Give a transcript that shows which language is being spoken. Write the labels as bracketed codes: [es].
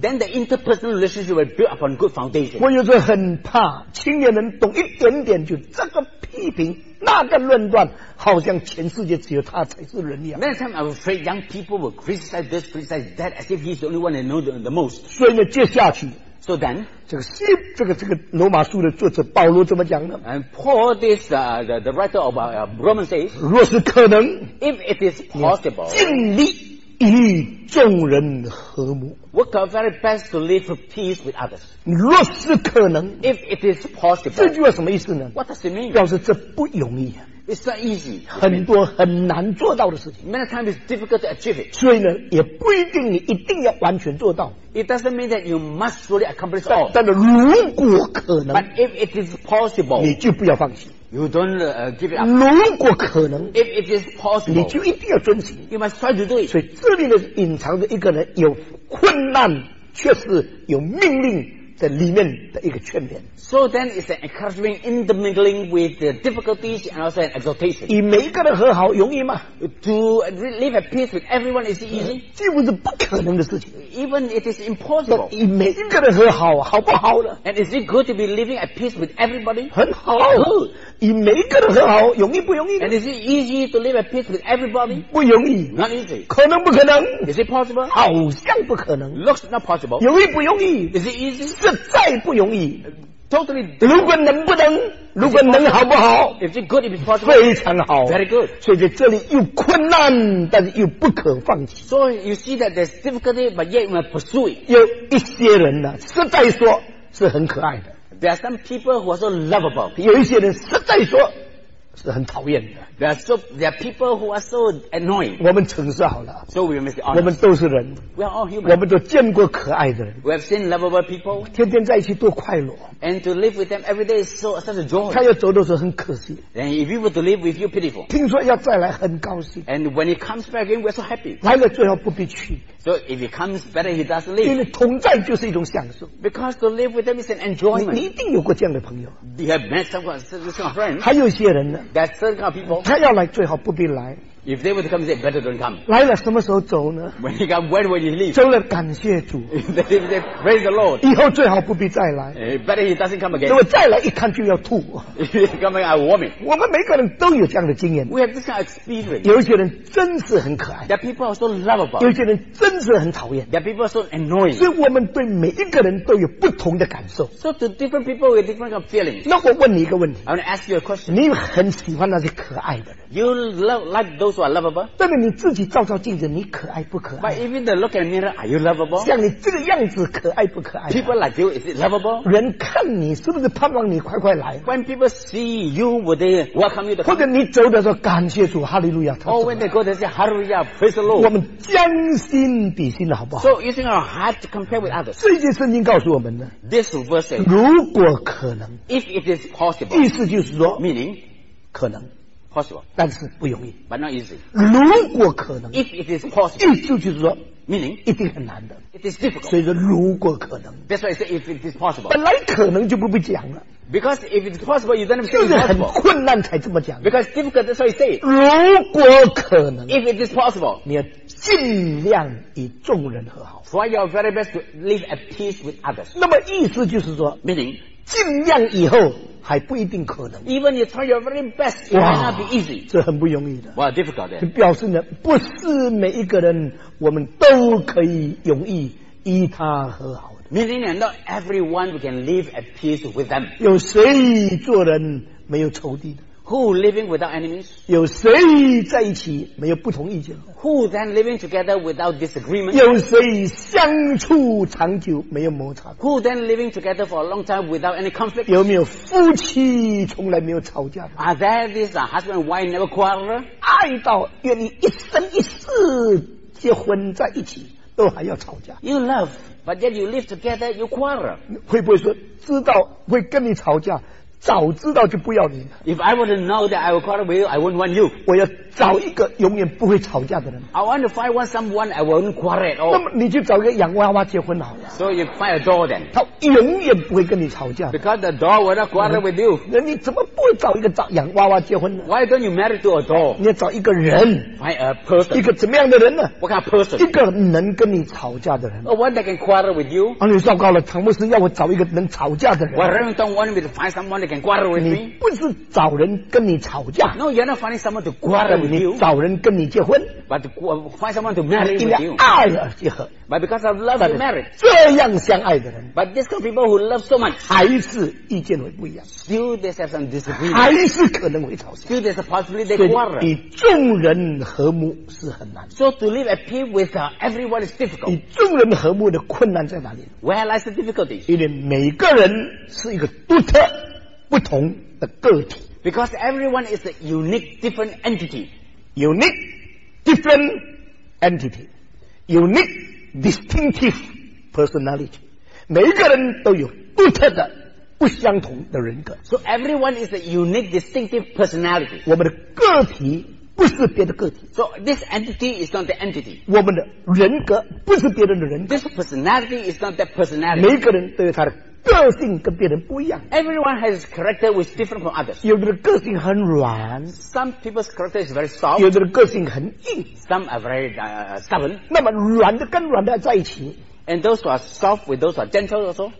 [en] Then the interpersonal relationship will build upon good foundation. [zh] 我有时很怕青年人懂一点点就这个批评那个论断好像全世界只有他才是人一样。 [en] Many times I'm afraid young people will criticize this, criticize that, as if he's the only one that knows the most. [zh] 所以呢，接下去。 [en] So then, [zh] 这个罗马书的作者保罗怎么讲呢 [en] ？And Paul, this the writer of Romans says, [zh] 若是可能 [en] ，if it is possible, [zh] 尽力与众人和睦 [en] ，work our very best to live for peace with others. [zh] 若是可能 [en] ，if it is possible, [zh] 这句话什么意思呢 [en] ？What does it mean? [zh] 表示这不容易。 [en] It's not easy. [zh] 很多很难做到的事情。 [en] Many times it's difficult to achieve it. [zh] 所以呢，也不一定你一定要完全做到。 [en] It doesn't mean that you must fully accomplish all. [zh] 但是如果可能 [en] ，But if it is possible, [zh] 你就不要放弃。 [en] You don't give it up. [zh] 如果可能 [en] ，If it is possible, [zh] 你就一定要遵循。 [en] You must try to do it. [zh] 所以这里呢，隐藏着一个呢，有困难，却是有命令。的里面的一个劝勉 [en] So then it's an encouragement intermingling with the difficulties and also an exhortation [zh] 与每一个人和好容易吗 [en] To live at peace with everyone is easy [zh] 几乎是不可能的事情 [en] Even it is impossible [zh] 与每一个人和好好不好呢 [en] And is it good to be living at peace with everybody [zh] 很好与每一个人和好容易不容易 [en] And is it easy to live at peace with everybody [zh] 不容易 [en] Not easy [zh] 可能不可能 [en] Is it possible [zh] 好像不可能 [en] Looks not possible [zh] 容易不容易 [en] Is it easy [zh] 是再不容易。 [en] Totally. [zh] 如果能不能，如果能好不好 [en] ？If it's good, if it's possible. [zh] 非常好。 [en] Very good. [zh] 所以在这里又困难，但是又不可放弃。 [en] So you see that there's difficulty, but yet we pursue it. [zh] 有一些人呢，实在说是很可爱的。 [en] There are some people who are so lovable. [zh] 有一些人实在说是很讨厌的。 [en] There are people who are so annoying. [zh] 我们诚实好了。 [en] So we must be honest. [zh] 我们都是人。 [en] We are all human. [zh] 我们都见过可爱的人。 [en] We have seen lovable people. [zh] 天天在一起多快乐。 [en] And to live with them every day is so such a joy. [zh] 他要走的时候很可惜。 [en] And if we were to live with you, pitiful. [zh] 听说要再来，很高兴。 [en] And when he comes back again, we're so happy. [zh] 来了最后不必去。 [en] So if he comes better, he doesn't leave. [zh] 因为同在就是一种享受。 [en] Because to live with them is an enjoyment. [zh] 你一定有过这样的朋友。 [en] You have met some kind of friends. [zh] 还有一些人呢。 [en] That certain kind of people. [zh] 他要来最好不必来 [en] If they were to come, they better don't come. [zh] 来了什么时候走呢 [en] ？When he come, when will he leave? [zh] 走了，感谢主。 [en] They praise the Lord. [zh] 以后最好不必再来。 [en] Better he doesn't come again. [zh] 如果再来一看就要吐。 [en] Come again, I vomit. [zh] 我们每个人都有这样的经验。 [en] We have this kind of experience. [zh] 有些人真是很可爱。 [en] That people are so lovable. [zh] 有些人真是很讨厌。 [en] That people are so annoying. [zh] 所以我们对每一个人都有不同的感受。 [en] So to different people, we have different kind of feelings. [zh] 那我问你一个问题。 [en] I want to ask you a question. [zh] 你很喜欢那些可爱的人。 [en] You love like those who are lovable. [zh] 但是你自己照照镜子，你可爱不可爱 [en] ？But even the look in the mirror, are you lovable? [zh] 像你这个样子，可爱不可爱 [en] ？People like you, is it lovable? [zh] 人看你是不是盼望你快快来 [en] ？When people see you, would they welcome you? [zh] 或者你走的时候感谢主，哈利路亚。 [en] Oh, when they go, they say, Hallelujah, praise the Lord. [zh] 我们将心比心的好不好 [en] ？So using our heart to compare with others. [zh] 这些圣经告诉我们的 [en] ，This verse says, [zh] 如果可能 [en] ，If it is possible. [zh] 意思就是说 [en] ，Meaning, [zh] 可能。 [en] Possible, [zh] 但是不容易 [en] ，but not easy. [zh] 如果可能 [en] ，if it is possible, [zh] 意思就是说 [en] ，meaning [zh] 一定很难的 [en] ，it is difficult. [zh] 所以说如果可能 [en] ，that's why I say if it is possible. [zh] 本来可能就不必讲了 [en] ，because if it is possible, you don't have to say [zh] possible. 就是很困难才这么讲 [en] ，because difficult, that's why I say. [zh] 如果可能 [en] ，if it is possible, [zh] 你要尽量与众人和好 [en] ，try your very best to live at peace with others. [zh] 那么意思就是说 [en] ，meaning [zh] 尽量以后。还不一定可能。 [en] Even you try your very best, it may not be easy. [zh] 这很不容易的。 [en] Well, difficult. [zh] 就表示呢，不是每一个人我们都可以容易与他和好的。 [en] Meaning that not everyone we can live at peace with them. [zh] 有谁做人没有仇敌的？ [en] Who living without enemies? [zh] 有谁在一起没有不同意见 [en] ？Who then living together without disagreement? [zh] 有谁相处长久没有摩擦 [en] ？Who then living together for a long time without any conflict? [zh] 有没有夫妻从来没有吵架 [en] ？Are there this husband wife never quarrel? [zh] 爱到愿意一生一世结婚在一起都还要吵架 [en] ？You love, but yet you live together, you quarrel. [zh] 会不会说知道会跟你吵架？早知道就不要你。 [en] If I were to know that I would quarrel with you, I wouldn't want you. [zh] 我要找一个永远不会吵架的人。 [en] I want to find one someone I won't quarrel at all. [zh] 那么你就找一个洋娃娃结婚好了。 [en] So you find a doll then. [zh] 他永远不会跟你吵架。 [en] Because the doll will not quarrel with you. [zh] 那你怎么不找一个洋娃娃结婚呢 [en] ？Why don't you marry to a doll? [zh] 你要找一个人。 [en] Find a person. [zh] 一个怎么样的人呢 [en] ？What kind of person? [zh] 一个能跟你吵架的人。 [en] A one that can quarrel with you. [zh] 啊，你糟糕了，唐牧师要我找一个能吵架的人。 [en] Well, Reverend Tom wanted me to find someone that [zh] 你不是找人跟你吵架 [en] ，No, you're not finding someone to quarrel with you. [zh] 你找人跟你结婚 [en] ，But find someone to marry with you. [zh] 爱而结合 [en] ，But because of love to marry. [zh] 这样相爱的人 [en] ，But these kind of people who love so much [zh] 还是意见会不一样 [en] ，Still they have some disagreement. [zh] 还是可能会吵架 [en] ，Still there's a possibility they quarrel. [zh] 与众人和睦是很难 [en] ，So to live at peace with everyone is difficult. [zh] 与众人和睦的困难在哪里 [en] ？Where lies the difficulty? [zh] 因为每个人是一个独特。不同的个体 [en] ，because everyone is a unique different entity. Unique different entity. Unique distinctive personality. [zh] 每个人都有独特的、不相同的人格。 [en] So everyone is a unique distinctive personality. [zh] 我们的个体不是别的个体。 [en] So this entity is not the entity. [zh] 我们的人格不是别人的人格。 [en] This personality is not that personality. [zh] 每个人都有他的。个性跟别人不一样。 [en] Everyone has character which is different from others. [zh] 有的人个性很软。 [en] Some people's character is very soft. [zh] 有的人个性很硬。 [en] Some are very stubborn. [zh] 那么软的跟软的在一起。 [en] And those who are soft with those who are gentle also.